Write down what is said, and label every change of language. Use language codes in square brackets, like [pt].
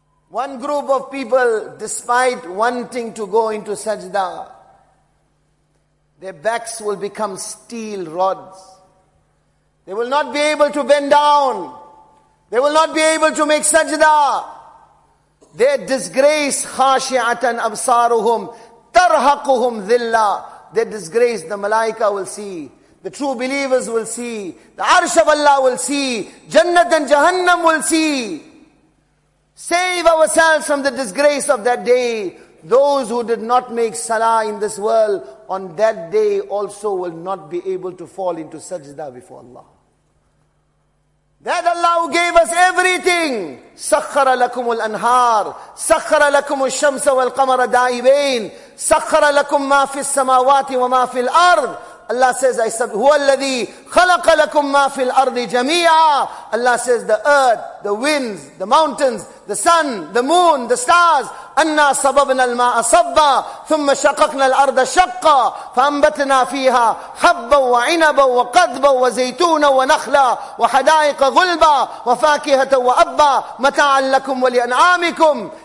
[en] One group of people, despite wanting to go into sajda, their backs will become steel rods. They will not be able to bend down. They will not be able to make sajda. Their disgrace, [ar] خَاشِعَةً أَبْصَارُهُمْ تَرْهَقُهُمْ ذِلَّا. [en] Their disgrace, the malaika will see. The true believers will see. The arsh of Allah will see. Jannat and Jahannam will see. Save ourselves from the disgrace of that day. Those who did not make salah in this world, on that day also will not be able to fall into sajda before Allah. That Allah who gave us everything. [ar] سَخَّرَ لَكُمُ الْأَنْهَارِ سَخَّرَ لَكُمُ الشَّمْسَ وَالْقَمَرَ دَائِبَيْنِ سَخَّرَ لَكُمْ مَا فِي السَّمَاوَاتِ وَمَا فِي الْأَرْضِ. [en] Allah says, I said, [ar] هُوَ الَّذِي خَلَقَ لَكُمْ مَا فِي الْأَرْضِ جَمِيعًا. [en] Allah says, the earth, the winds, the mountains, the sun, the moon, the stars. [ar] أَنَّا صَبَبْنَا الْمَاءَ صَبَّا ثُمَّ شَقَقْنَا الْأَرْضَ شَقَّا فَأَنْبَتْنَا فِيهَا حَبًّا وَعِنَبًا وَقَضْبًا وَزَيْتُونًا وَنَخْلًا وَحَدَائِقَ غُلْبًا وَفَاكِهَةً وَأَبًّا مَتَاعًا لَكُمْ وَلِأَنْعَامِكُمْ.